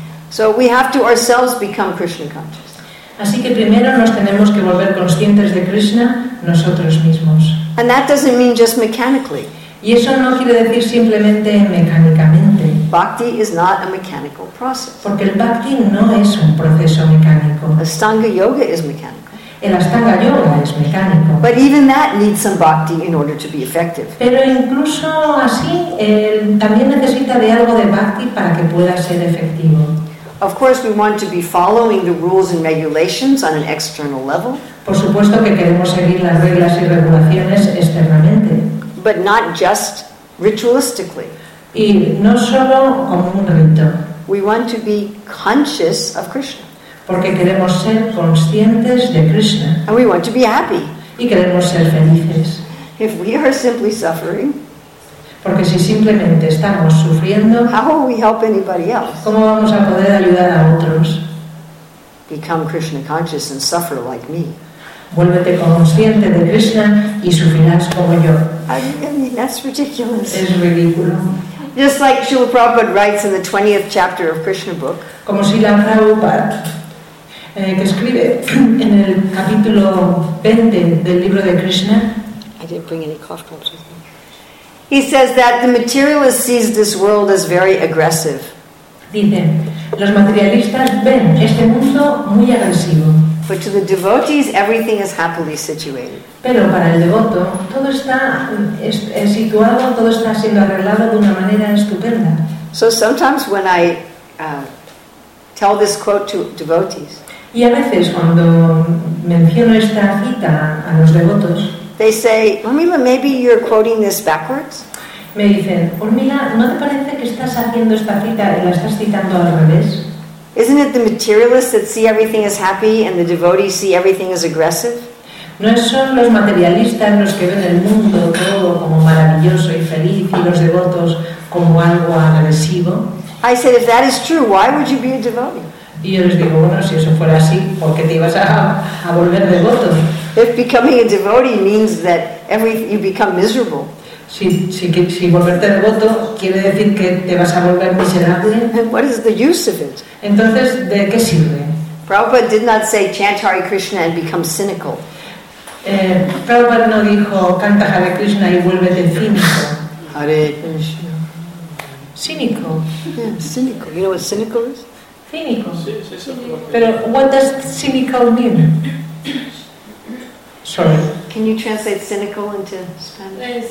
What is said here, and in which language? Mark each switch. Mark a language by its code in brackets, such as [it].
[en] So we have to ourselves become Krishna conscious. [es] Así que primero nos tenemos que volver conscientes de Krishna nosotros mismos. [en] And that doesn't mean just mechanically. [es] Y eso no quiere decir simplemente mecánicamente. [en] Bhakti is not a mechanical process. [es] Porque el bhakti no es un proceso mecánico. [en] Ashtanga yoga is mechanical. [es] El Ashtanga yoga es mecánico. [en] But even that needs some bhakti in order to be effective. [es] Pero incluso así, también necesita de algo de bhakti para que pueda ser efectivo. [en] Of course, we want to be following the rules and regulations on an external level. [es] Por supuesto que queremos seguir las reglas y regulaciones externamente. [en] But not just ritualistically. [es] Y no solo como un rito. [en] We want to be conscious of Krishna. [es] Porque queremos ser conscientes de Krishna. [en] And we want to be happy. [es] Y queremos ser felices. [en] If we are simply suffering, [es] porque si simplemente estamos sufriendo, [en] how will we help anybody else? [es] ¿Cómo vamos a poder ayudar a otros? [en] Become Krishna conscious and suffer like me. [es] Vuélvete consciente de Krishna y sufrirás como yo. [en] I mean, that's ridiculous. [es] Es ridículo. [en] Just like Srila Prabhupada writes in the 20th chapter of Krishna book. [es] Como Srila Prabhupada, que escribe en el capítulo 20 del libro de Krishna. [en] I didn't bring any cough drops with me. He says that the materialist sees this world as very aggressive. [es] Dicen, los materialistas ven este mundo muy agresivo. [en] But to the devotees, everything is happily situated. [es] Pero para el devoto, todo está situado, todo está siendo arreglado de una manera estupenda. [en] So sometimes when I tell this quote to devotees, [es] y a veces cuando menciono esta cita a los devotos, [en] they say, Urmila, maybe you're quoting this backwards. [es] Me dicen, Urmila, ¿no te parece que estás haciendo esta cita y la estás citando al revés? [en] Isn't it the materialists that see everything as happy and the devotees see everything as aggressive? [es] No son los materialistas los que ven el mundo todo como maravilloso y feliz y los devotos como algo agresivo. [en] I said, if that is true, why would you be a devotee? [es] Y yo les digo, bueno, si eso fuera así, ¿por qué te ibas a volver devoto? [en] If becoming a devotee means that you become miserable. [es] Si volverte devoto quiere decir que te vas a volver miserable. [en] And what is the use of it? [es] Entonces, ¿de qué sirve? [en] Prabhupada did not say chant Hare Krishna and become cynical. [es] Prabhupada no dijo canta Hare Krishna y vuélvete cínico. [en] Hare Krishna. [es] Cínico. [en] Yeah, cynical. You know what cynical is? [es] Cínico. [en] Pero what does cynical mean? Sorry. Can you translate cynical into Spanish?